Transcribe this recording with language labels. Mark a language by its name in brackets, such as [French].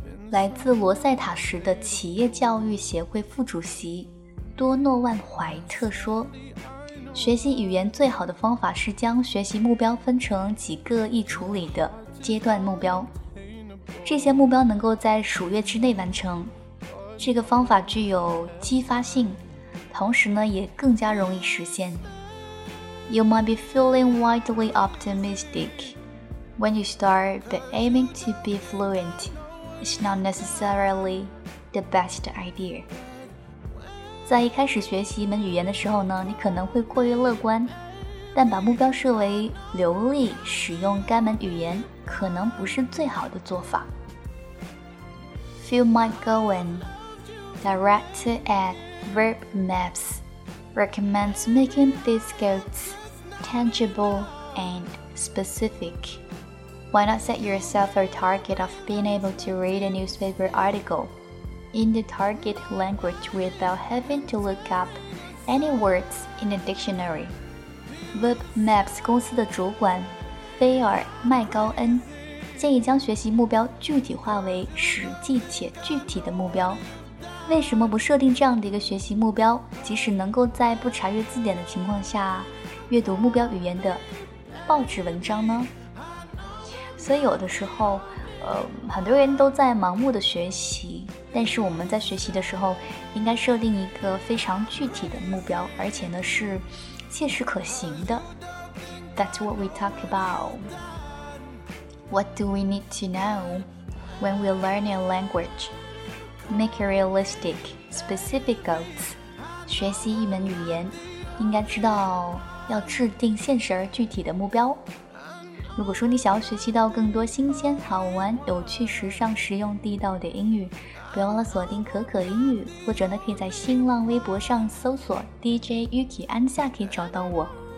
[Chinese] 来自罗塞塔石的企业教育协会副主席多诺万·怀特说，学习语言最好的方法是将学习目标分成几个易处理的阶段目标，这些目标能够在数月之内完成。这个方法具有激发性，同时呢，也更加容易实现。 [English] You might be feeling wildly optimistic when you start, but aiming to be fluent is not necessarily the best idea. [Chinese] 在一开始学习一门语言的时候呢，你可能会过于乐观，但把目标设为流利使用该门语言可能不是最好的做法。 [English] Phil McGowan, Director atVerb Maps recommends making these goals tangible and specific. Why not set yourself a target of being able to read a newspaper article in the target language without having to look up any words in a dictionary? [Chinese] Verb Maps 公司的主管菲尔·麦高恩建议将学习目标具体化为实际且具体的目标。为什么不设定这样的一个学习目标，即使能够在不查阅字典的情况下阅读目标语言的报纸文章呢？所以有的时候很多人都在盲目的学习，但是我们在学习的时候应该设定一个非常具体的目标，而且呢是切实可行的。 [English] That's what we talk about. What do we need to know when we learn a languageMake realistic, specific goals. [Chinese] 学习一门语言，应该知道要制定现实而具体的目标。如果说你想要学习到更多新鲜、好玩、有趣、时尚、实用、地道的英语，不要忘了锁定可可英语，或者呢，可以在新浪微博上搜索 DJ Yuki 安夏，可以找到我。